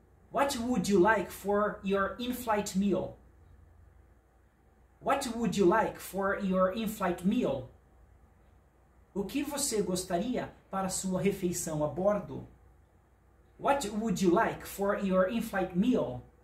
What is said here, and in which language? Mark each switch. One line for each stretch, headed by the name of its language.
English: What would you like for your in-flight meal? What would you like for your in-flight meal?
Portuguese: O que você gostaria para sua refeição a bordo?
English: What would you like for your in-flight meal?